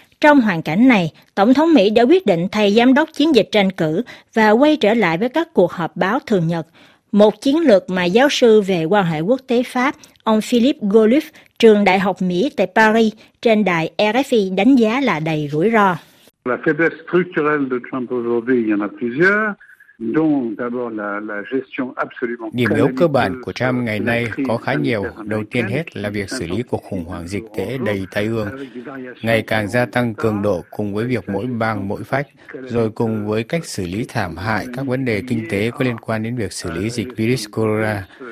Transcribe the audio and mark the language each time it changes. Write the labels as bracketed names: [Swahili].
[Vietnamese] Trong hoàn cảnh này, Tổng thống Mỹ đã quyết định thay giám đốc chiến dịch tranh cử và quay trở lại với các cuộc họp báo thường nhật. Một chiến lược mà giáo sư về quan hệ quốc tế Pháp, ông Philippe Golif, trường Đại học Mỹ tại Paris, trên đài RFI đánh giá là đầy rủi ro. [French] La faiblesse structurelle de Trump aujourd'hui, il y en a plusieurs. [Vietnamese] Điểm yếu cơ bản của Trump ngày nay có khá nhiều. Đầu tiên hết là việc xử lý cuộc khủng hoảng dịch tễ đầy tai ương, ngày càng gia tăng cường độ cùng với việc mỗi bang mỗi phách, rồi cùng với cách xử lý thảm hại các vấn đề kinh tế có liên quan đến việc xử lý dịch virus corona.